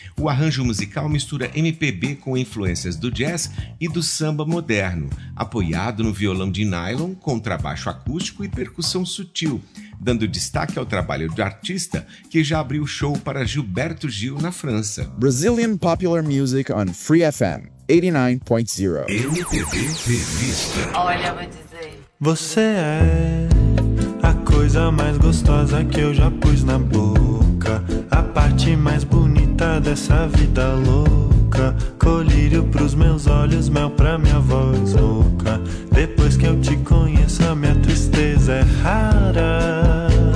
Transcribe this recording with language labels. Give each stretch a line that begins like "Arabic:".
Portuguese: O arranjo musical mistura MPB com influências do jazz e do samba moderno, apoiado no violão de nylon, contrabaixo acústico e percussão sutil, dando destaque ao trabalho do artista que já abriu show para Gilberto Gil na França.
English: Brazilian Popular Music on Free FM 89.0.
Portuguese: Olha, vou dizer. Você é a coisa mais gostosa que eu já pus na boca. A parte mais bonita dessa vida louca. Colírio pros meus olhos, mel pra minha voz louca. Depois que eu te conheço, a minha tristeza é rara.